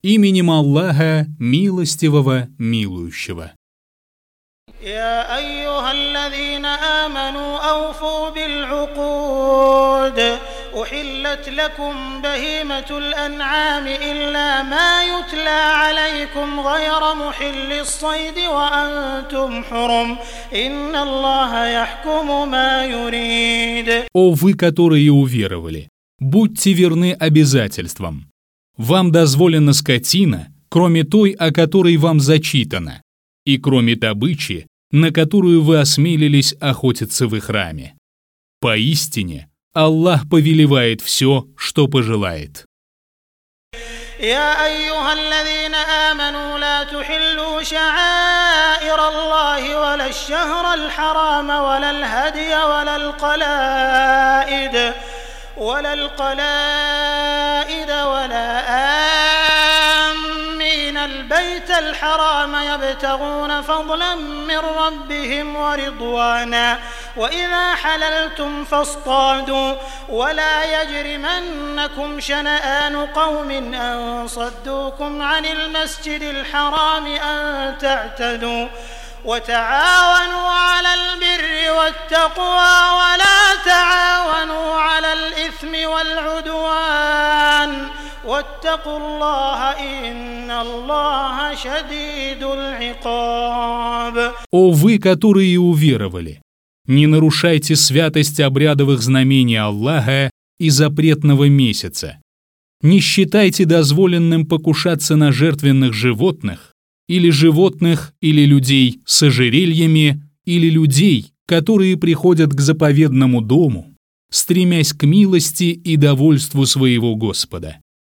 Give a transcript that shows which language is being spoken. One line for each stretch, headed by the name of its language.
Russian: именем Аллаха, милостивого, милующего.
Arabic: يا أيها الذين آمنوا أوفوا بالعقود أحلت لكم بهيمة الأنعام إلا ما يتلى عليكم غير محل الصيد وأنتم حرم إن الله يحكم ما يريد.
Russian: О вы, которые уверовали, будьте верны обязательствам. Вам дозволена скотина, кроме той, о которой вам зачитано, и кроме добычи, на которую вы осмелились охотиться в храме. Поистине, Аллах повелевает все, что пожелает.
Arabic: يا أيها الذين آمنوا لا تحلوا شعائر الله ولا الشهر الحرام ولا الهدي ولا القلائد ولا القلائد ولا آمين البيت الحرام يبتغون فضلا من ربهم ورضوانا وإذا حللتم فاصطادوا ولا يجرمنكم شنآن قوم أن صدوكم عن المسجد الحرام أن تعتدوا وتعاونوا على البر والتقوى ولا تعاونوا على الإثم والعدوان واتقوا الله إن الله شديد العقاب.
Russian: О вы, которые уверовали, не нарушайте святость обрядовых знамений Аллаха и запретного месяца. Не считайте дозволенным покушаться на жертвенных животных или животных, или людей с ожерельями, или людей, которые приходят к заповедному дому, стремясь к милости и довольству своего Господа.